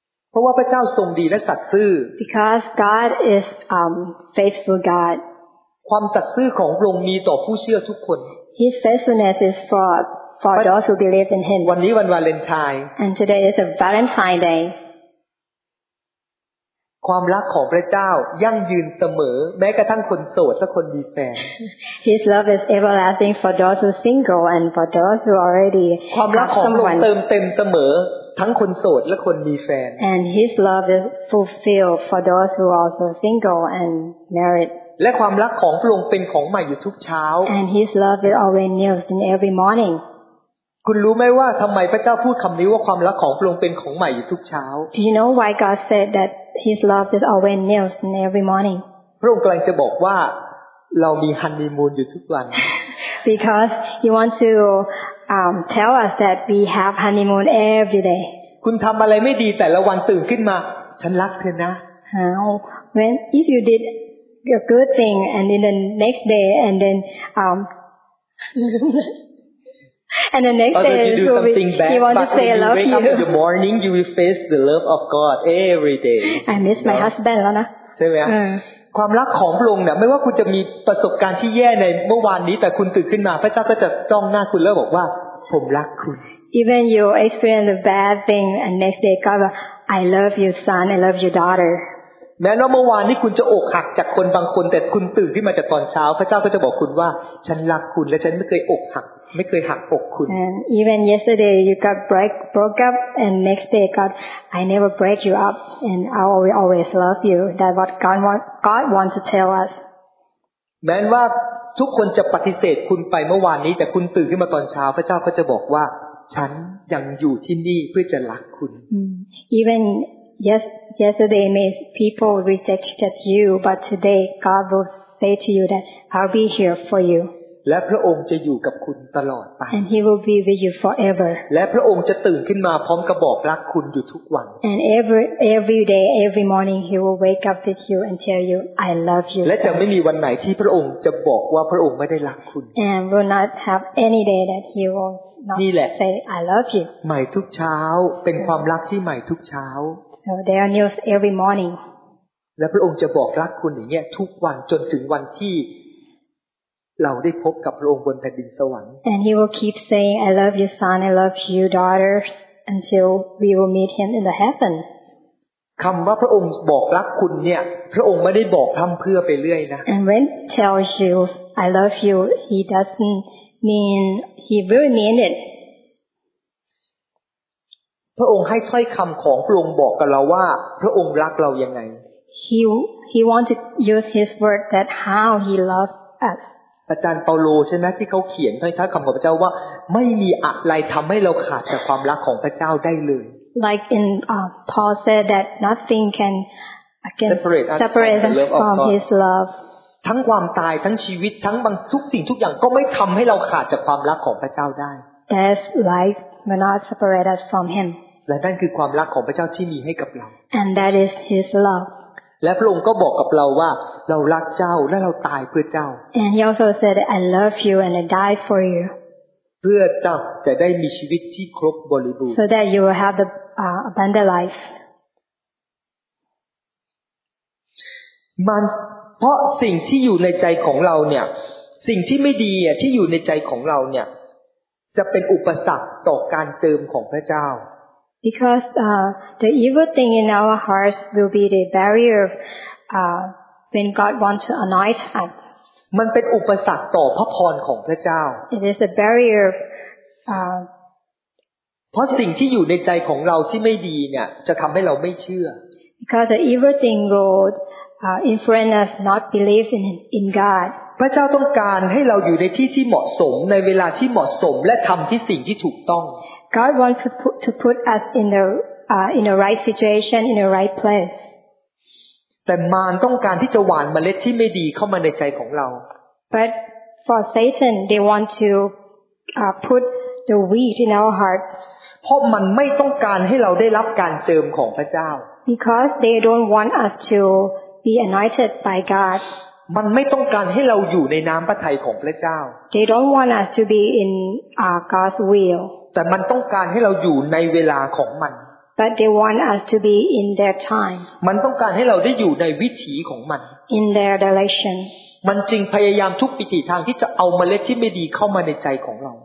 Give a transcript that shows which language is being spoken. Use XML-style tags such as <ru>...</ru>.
<th>เพราะว่าพระเจ้าทรงดีและสัตย์ซื่อ</th> <en>Because God is faithful God.</en> <th>ความสัตย์ซื่อของพระองค์มีต่อผู้เชื่อทุกคน</th> <en>His faithfulness is for those who believe in Him.</en> <th>วันนี้วันวาเลนไทน์</th> <en>And today is a Valentine Day.</en> <th>ความรักของพระเจ้ายั่งยืนเสมอแม้กระทั่งคนโสดและคนมีแฟน</th> <en>His love is everlasting for those who are single and for those who already</en> <th>ความรักของพระองค์เติมเต็มเสมอทั้งคนโสดและคนมีแฟน</th> <en>And His love is fulfilled for those who are also single and married</en> <th>และความรักของพระองค์เป็นของใหม่อยู่ทุกเช้า</th> <en>And His love is always new in every morning</en> <th>คุณรู้ไหมว่าทำไมพระเจ้าพูดคำนี้ว่าความรักของพระองค์เป็นของใหม่อยู่ทุกเช้า</th> <en>Do you know why God said that His love is always new in every morning?</en> <th>พระองค์กำลังจะบอกว่าเรามีฮันนีมูนอยู่ทุกวัน</th> <en>Because He wants to tell us that we have honeymoon every day.</en> <th>คุณทำอะไรไม่ดีแต่ละวันตื่นขึ้นมาฉันรักเธอนะ</th> <en>How when if you did a good thing and in the next day and then And the next day he wants to say I love you. But in the morning you will face the love of God every day. I miss my husband</en> <th>แล้วนะ ใช่ไหมความรักของพระองค์เนี่ยไม่ว่าคุณจะมีประสบการณ์ที่แย่ในเมื่อวานนี้แต่คุณตื่นขึ้นมาพระเจ้าก็จะจ้องหน้าคุณแล้วบอกว่าผมรักคุณ</th> <en>Even you experience a bad thing and next day God will, I love you son I love you daughter</en> <th>แม้ว่าเมื่อวานนี้คุณจะอกหักจากคนบางคนแต่คุณตื่นขึ้นมาจากตอนเช้าพระเจ้าก็จะบอกคุณว่าฉันรักคุณและฉันไม่เคยอกหักไม่เคยหักอกคุณ</th> <en>Even yesterday you got broke up and next day God I never break you up and I will always love you that's what God want to tell us</en> <th>แม้ว่าทุกคนจะปฏิเสธคุณไปเมื่อวานนี้แต่คุณตื่นขึ้นมาตอนเช้าพระเจ้าก็จะบอกว่าฉันยังอยู่ที่นี่เพื่อจะรักคุณ</th> <en>Even yesterday may people rejected you but today God will say to you that I'll be here for you</en> <th>และพระองค์จะอยู่กับคุณตลอดไป</th> <en>And he will be with you forever</en> <th>และพระองค์จะตื่นขึ้นมาพร้อมกับบอกรักคุณอยู่ทุกวัน</th> <en>And every day every morning he will wake up with you and tell you I love you</en> <th>และจะไม่มีวันไหนที่พระองค์จะบอกว่าพระองค์ไม่ได้รักคุณ</th> <en>And will not have any day that he will not say I love you</en> <th>ใหม่ทุกเช้าเป็นความรักที่ใหม่ทุกเช้า</th> <en>So there are news every morning</en> <th>และพระองค์จะบอกรักคุณอย่างเงี้ยทุกวันจนถึงวันที่เราได้พบกับพระองค์บนแผ่นดินสวรรค์</th> <en>And he will keep saying I love you son I love you daughter until we will meet him in the heaven</en> <th>คําว่าพระองค์บอกรักคุณเนี่ยพระองค์ไม่ได้บอกทําเพื่อไปเรื่อยนะ</th> <en>And when tells you I love you he doesn't mean he really mean it</en> <th>พระองค์ให้ถ้อยคําของพระองค์บอกกับเราว่าพระองค์รักเรายังไง</th> <en>He want to use his word that how he loves us</en> <th>อาจารย์เปาโลใช่ไหมที่เขาเขียนท้ายท้ายคำของพระเจ้าว่าไม่มีอะไรทำให้เราขาดจากความรักของพระเจ้าได้เลย</th> <en>Like in Paul said that nothing can separate us from His love</en> <th>ทั้งความตายทั้งชีวิตทั้งบางทุกสิ่งทุกอย่างก็ไม่ทำให้เราขาดจากความรักของพระเจ้าได้</th> <en>That's life will not separate us from Him</en> <th>และนั่นคือความรักของพระเจ้าที่มีให้กับเรา</th> <en>And that is His love</en> <th>และพระองค์ก็บอกกับเราว่าเรารักเจ้าและเราตายเพื่อเจ้า</th> <en>And he also said I love you and I die for you</en> <th>เพื่อเจ้าจะได้มีชีวิตที่ครบบริบูรณ์</th> <en>So that you will have the abundant life</en> <th>มันเพราะสิ่งที่อยู่ในใจของเราเนี่ยสิ่งที่ไม่ดีที่อยู่ในใจของเราเนี่ยจะเป็นอุปสรรคต่อการเจิมของพระเจ้า</th> <en>Because the evil thing in our hearts will be the barrier when God wants to anoint us.</en> <th>มันเป็นอุปสรรคต่อพระพรของพระเจ้า</th> <en>It is a barrier.</en> <th>เพราะสิ่งที่อยู่ในใจของเราที่ไม่ดีเนี่ยจะทำให้เราไม่เชื่อ</th> <en>Because the evil thing will influence us not believe in God.</en> <th>พระเจ้าต้องการให้เราอยู่ในที่ที่เหมาะสมในเวลาที่เหมาะสมและทำที่สิ่งที่ถูกต้อง</th> <en>God wants to put us in the right situation in the right place</en> <th>แต่มารต้องการที่จะหว่านเมล็ดที่ไม่ดีเข้ามาในใจของเรา</th> <en>But for Satan they want to put the wheat in our hearts</en> <th>เพราะมันไม่ต้องการให้เราได้รับการเจิมของพระเจ้า</th> <en>Because they don't want us to be anointed by God</en> <th>มันไม่ต้องการให้เราอยู่ในน้ำพระทัยของพระเจ้า</th> <en>They don't want us to be in God's will</en> <th>แต่มันต้องการให้เราอยู่ในเวลาของมัน</th> <en>But they want us to be in their time</en> <th>มันต้องการให้เราได้อยู่ในวิถีของมัน</th> <en>In their direction</en> <th>มันจึงพยายามทุกวิถีทางที่จะเอาเมล็ดที่ไม่ดีเข้ามาในใจของเรา</th>